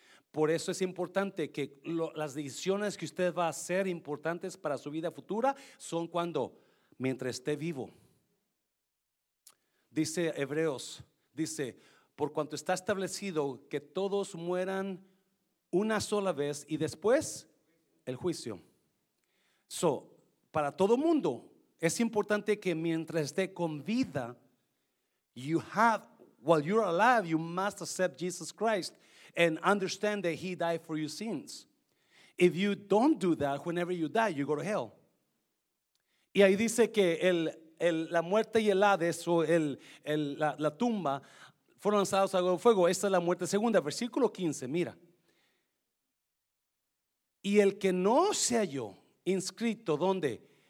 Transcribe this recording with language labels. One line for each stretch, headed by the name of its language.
Spanish: Por eso es importante que las decisiones que usted va a hacer importantes para su vida futura son cuando, mientras esté vivo. Dice Hebreos, dice, por cuanto está establecido que todos mueran una sola vez y después el juicio. Para todo mundo es importante que mientras esté con vida,
English: while you're alive, you must accept Jesus Christ and understand that he died for your sins. If you don't do that, whenever you die, you go to hell.
Spanish: Y ahí dice que la muerte y el Hades, o la tumba, fueron lanzados al fuego. Esta es la muerte segunda. Versículo 15, mira. Y el que no se halló inscrito, ¿dónde?